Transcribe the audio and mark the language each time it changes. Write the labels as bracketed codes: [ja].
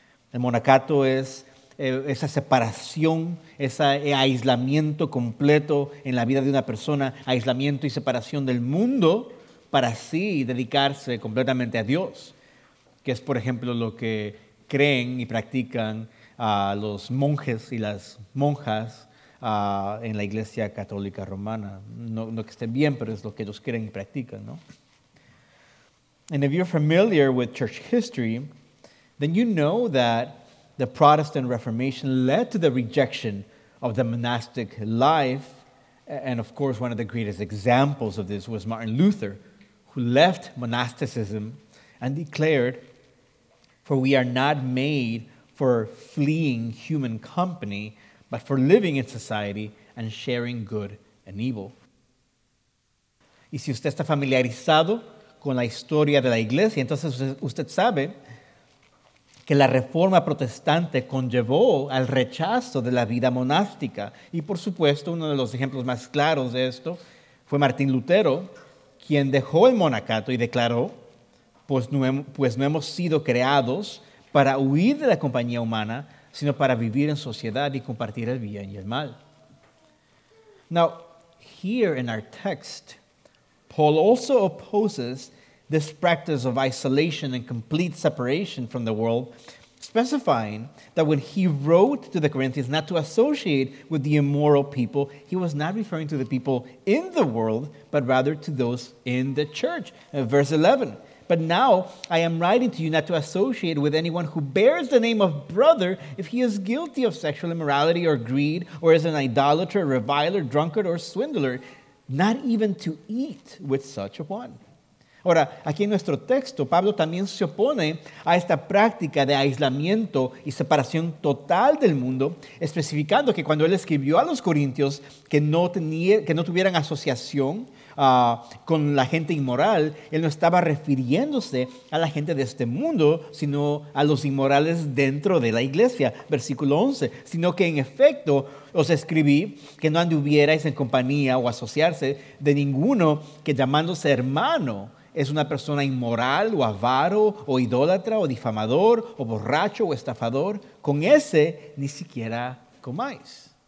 [es] El monacato es esa separación, ese aislamiento completo en la vida de una persona, aislamiento y separación del mundo para así dedicarse completamente a Dios, que es, por ejemplo, lo que creen y practican los monjes y las monjas en la Iglesia Católica Romana. No que estén bien, pero es lo que ellos creen y practican, ¿no? [en] And if you're familiar with church history, then you know that the Protestant Reformation led to the rejection of the monastic life. And of course, one of the greatest examples of this was Martin Luther, who left monasticism and declared, "For we are not made for fleeing human company, but for living in society and sharing good and evil." [es] Y si usted está familiarizado con la historia de la Iglesia, entonces usted sabe que la reforma protestante conllevó al rechazo de la vida monástica. Y por supuesto, uno de los ejemplos más claros de esto fue Martín Lutero, quien dejó el monacato y declaró, pues no hemos sido creados para huir de la compañía humana, sino para vivir en sociedad y compartir el bien y el mal. [en] Now, here in our text, Paul also opposes this practice of isolation and complete separation from the world, specifying that when he wrote to the Corinthians not to associate with the immoral people, he was not referring to the people in the world, but rather to those in the church. Verse 11, "But now I am writing to you not to associate with anyone who bears the name of brother if he is guilty of sexual immorality or greed or is an idolater, reviler, drunkard, or swindler, not even to eat with such a one. [es] Ahora, aquí en nuestro texto, Pablo también se opone a esta práctica de aislamiento y separación total del mundo, especificando que cuando él escribió a los corintios que no tuvieran asociación con la gente inmoral, él no estaba refiriéndose a la gente de este mundo, sino a los inmorales dentro de la iglesia, versículo 11, sino que en efecto os escribí que no anduvierais en compañía o asociarse de ninguno que llamándose hermano es una persona inmoral o avaro o idólatra o difamador o borracho o estafador, con ese ni siquiera comáis.